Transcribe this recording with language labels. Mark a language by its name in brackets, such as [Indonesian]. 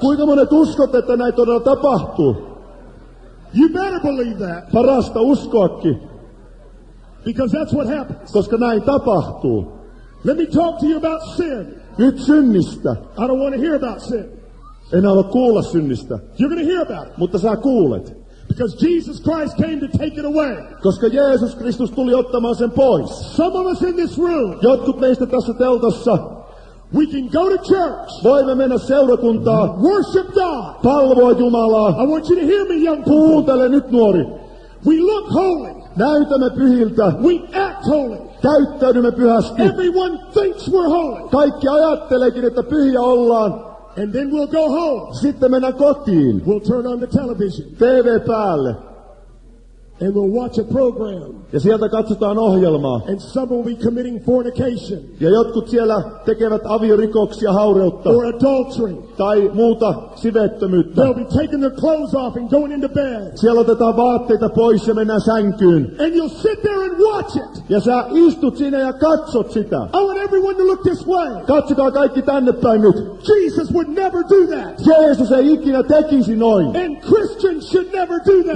[Finnish] Kuinka monet uskot, että näin todella tapahtuu? [English] You better believe that. [Finnish] Parasta uskoakin. [English] Because that's what happens. [Finnish] Koska näin tapahtuu. [English] Let me talk to you about sin. [Finnish] Nyt synnistä. [English] I don't want to hear about sin. [Finnish] En halua kuulla synnistä. [English] You're going to hear about it. [Finnish] Mutta sä kuulet. [English] Because Jesus Christ came to take it away. [Finnish] Koska Jeesus Kristus tuli ottamaan sen pois. [English] Some of us in this room. [Finnish] Jotkut meistä tässä teltassa. [English] We can go to church. [Finnish] Voimme mennä seurakuntaan. [English] Worship God. [Finnish] Palvoa Jumalaa. [English] I want you to hear me, young people. [Finnish] Kuuntele nyt, nuori. [English] We look holy. [Finnish] Näytämme pyhiltä. [English] We act holy. [Finnish] Käyttäydymme pyhästi. [English] Everyone thinks we're holy. [Finnish] Kaikki ajatteleekin, että pyhiä ollaan. [English] And then we'll go home. [Finnish] Sitten mennään kotiin. [English] We'll turn on the television. [Finnish] TV päälle. [English] And we'll watch a program. [Finnish] Ja sieltä katsotaan ohjelmaa. [English] And some will be committing fornication. [Finnish] Ja jotkut siellä tekevät aviorikoksia, haureutta. [English] Or adultery. [Finnish] Tai muuta sivettömyyttä. [English] They'll be taking their clothes off and going into bed. [Finnish] Siellä otetaan vaatteita pois ja mennään sänkyyn. [English] And you'll sit there and watch it. [Finnish] Ja sä istut siinä ja katsot sitä. [English] I want everyone to look this way. [Finnish] Katsokaa kaikki tänne päin nyt. [English] Jesus would never do that. [Finnish] Jeesus ei ikinä tekisi noin. [English] And Christians should never do that.